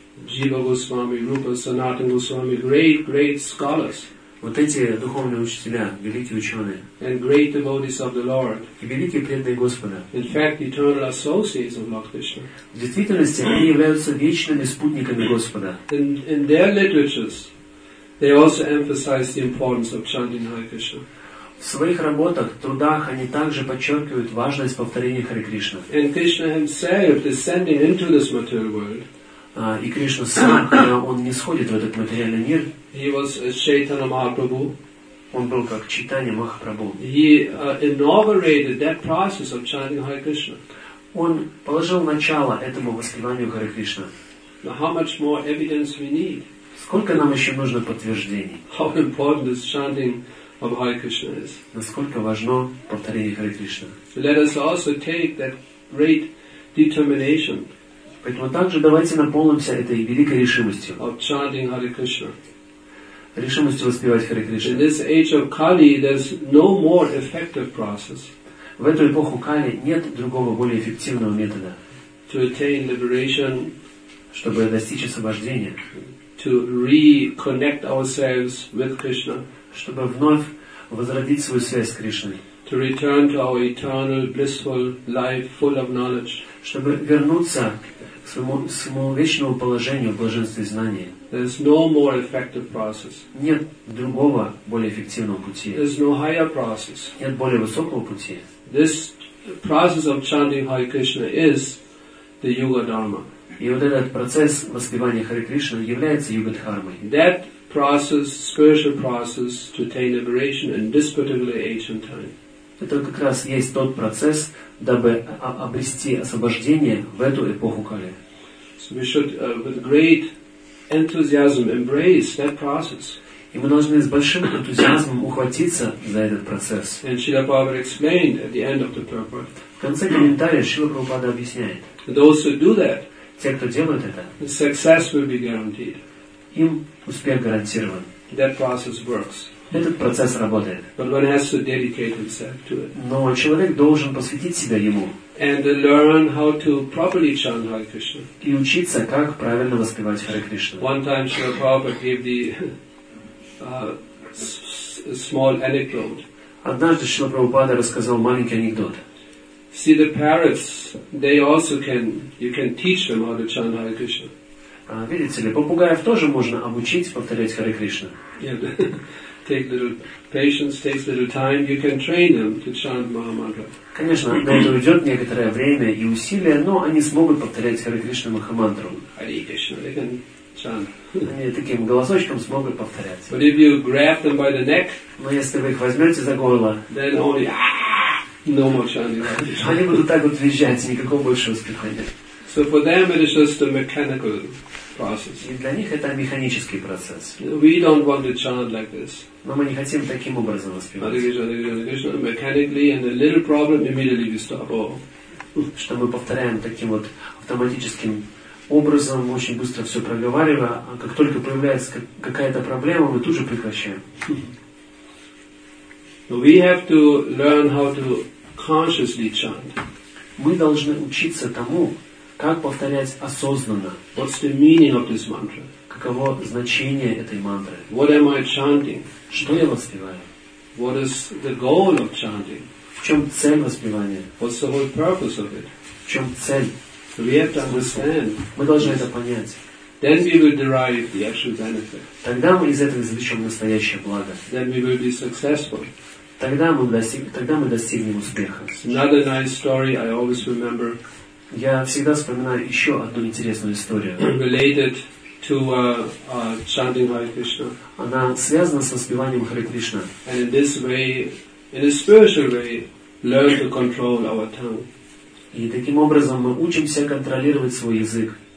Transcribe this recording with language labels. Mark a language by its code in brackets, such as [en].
[en] Джива Госвами, Рупа Санатан Госвами, great, great scholars. [ru] Вот эти духовные учителя, великие ученые. [en] And great devotees of the Lord. [ru] И великие преданные Господа. [en] In fact, eternal associates of Lord Krishna. [ru] В действительности, они являются вечными спутниками Господа. [en] In their literatures, they also emphasize the importance of chanting Hare Krishna. [ru] В своих работах, трудах, они также подчеркивают важность повторения Харе Кришна. [en] And Krishna himself descending into this material world. [ru] И Кришна сам, когда он не сходит в этот материальный мир, [en] he was Chaitanya Mahaprabhu. [ru] Он был как Чайтанья Махапрабху. [en] He inaugurated that process of chanting Hare Krishna. [ru] Он положил начало этому воспеванию Харе Кришна. [en] Now how much more evidence we need? [ru] Сколько нам еще нужно подтверждений? [en] How important is chanting of Hare Krishna is? [ru] Насколько важно повторение Харе Кришна? [en] Let us also take that great determination. [ru] Поэтому также давайте наполнимся этой великой решимостью. [en] Of chanting Hare Krishna. [ru] Решимостью воспевать Харе Кришна. [en] In this age of Kali, there's no more effective process. [ru] В эту эпоху Кали нет другого более эффективного метода. [en] To attain liberation. [ru] Чтобы достичь освобождения. [en] To reconnect ourselves with Krishna. [ru] Чтобы вновь возродить свою связь с Кришной. [en] To return to our eternal blissful life full of knowledge. [ru] Чтобы вернуться своему вечному положению в блаженстве знания. [en] There's no more effective process. [ru] Нет другого более эффективного пути. [en] There's no higher process. [ru] Нет более высокого пути. [en] This process of chanting Hare Krishna is the Yuga Dharma. [ru] И вот этот процесс воспевания Харе Кришна является Юга-дхармой. [en] That process, spiritual process to attain liberation in this particular ancient time. [ru] Это как раз есть тот процесс, дабы обрести освобождение в эту эпоху Кали. [en] So we should, with great enthusiasm embrace that process. [ru] И мы должны с большим энтузиазмом ухватиться за этот процесс. [en] And Srila Prabhupada explained at the end of the purport. [ru] В конце комментария Шрила Прабхупада объясняет. [en] Those who do that, [ru] те, кто делают это, [en] success will be guaranteed. [ru] Им успех гарантирован. [en] That process works. [ru] Этот процесс работает. [en] But one has to dedicate himself to it. [ru] Но человек должен посвятить себя ему. [en] And learn how to properly chant Hare Krishna. [ru] И учиться, как правильно воспевать Харе Кришну. [en] One time Srila Prabhupada gave the small anecdote. [ru] Однажды Шрила Прабхупада рассказал маленький анекдот. [en] See the parrots, they also can, you can teach them how to chant Hare Krishna. [ru] Видите ли, попугаев тоже можно обучить повторять Харе Кришну. [en] Take little patience, takes little time. You can train them to chant Maha Mantra. [ru] Конечно, на это уйдет некоторое время и усилия, но они смогут повторять Харе Кришна Маха Мантру. [en] Hare Krishna, they can chant. [ru] Они таким голосочком смогут повторять. [en] But if you grab them by the neck, [ru] но если вы их возьмете за горло, [en] then only no more chanting. [ru] Они будут так вот визжать, никакого больше успеха нет. [en] So for them it is just a mechanical. Process. [ru] И для них это механический процесс. [en] We don't want to chant like this. [ru] Но мы не хотим таким образом воспевать. [en] Hare Krishna, Hare Krishna, mechanically and a little problem immediately we stop. [ru] Что мы повторяем таким вот автоматическим образом, очень быстро все проговаривая, а как только появляется какая-то проблема, мы тут же прекращаем. [en] We have to learn how to consciously chant. [ru] Мы должны учиться тому, как повторять осознанно. [en] What's the meaning of this mantra? [ru] Каково значение этой мантры? [en] What am I chanting? [ru] Что я воспеваю? [en] What is the goal of chanting? [ru] В чем цель воспевания? [en] What's the whole purpose of it? [ru] В чем цель? [en] So we have to understand. [ru] Мы должны это понять. [en] Then we will derive the actual benefit. [ru] Тогда мы из этого извлечем настоящее благо. [en] Then we will be successful. [ru] Тогда мы достигнем успеха. [en] Another nice story I always remember. [ru] Я всегда вспоминаю еще одну интересную историю. [en] Related to chanting Hare Krishna. [ru] Она связана со воспеванием Харе Кришна. [en] And in this way, in a spiritual way, learn to control our tongue. [ru] И таким образом мы учимся контролировать свой язык.